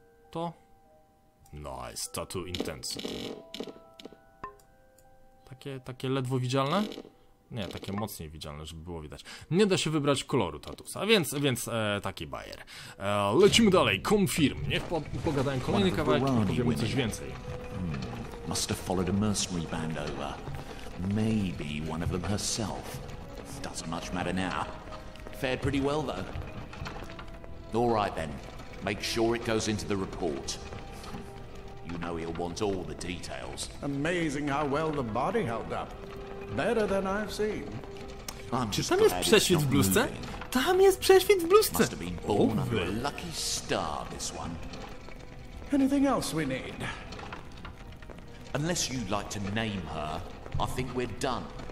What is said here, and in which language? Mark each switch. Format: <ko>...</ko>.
<en>To? Nice, tattoo intense.</en> <pl>Takie ledwo widzialne? Nie, takie mocniej widzialne, żeby było widać. Nie da się wybrać koloru tatusa, więc taki bajer. Lecimy dalej, confirm. Niech pogadałem kolejny kawałek i powiemy coś więcej.</pl> <en>Must have followed a mercenary band over. Maybe one of them herself. Doesn't much matter now. Fared pretty well though. All right then. Make sure it goes into the report. You know he'll want all the details. Amazing how well the body held up. Better than I've seen.</en> <pl>Czy tam jest prześwit w bluzce? Tam jest prześwit w bluzce.</pl> <en>Must have been born under a lucky star, this one. Anything else we need? Unless you'd like to name her, I think we're done.</en>